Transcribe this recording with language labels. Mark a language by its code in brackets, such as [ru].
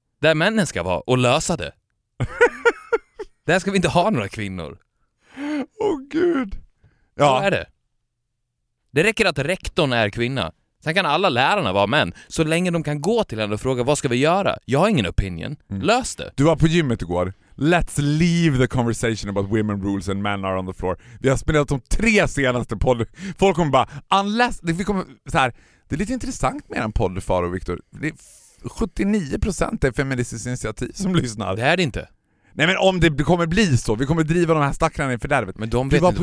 [sv] Där männen ska vara och lösa det. Där ska vi inte ha några kvinnor. Åh, gud. Ja. Så är det. Det räcker att rektorn är kvinna. Sen kan alla lärarna vara män. Så länge de kan gå till henne och fråga vad ska vi göra? Jag har ingen opinion. Mm. Lös det. Du var på gymmet igår. [en] Let's leave the conversation about women rules and men are on the floor. [sv] Vi har spelat de 3 senaste podd. Folk kommer bara, unless... Vi kommer, så här, det är lite intressant med en podd, Faro och Viktor. 79% är Feministiskt initiativ som lyssnar. Det är det inte. Nej, men om det kommer bli så. Vi kommer driva de här stackarna i fördärvet. Men de vet du var inte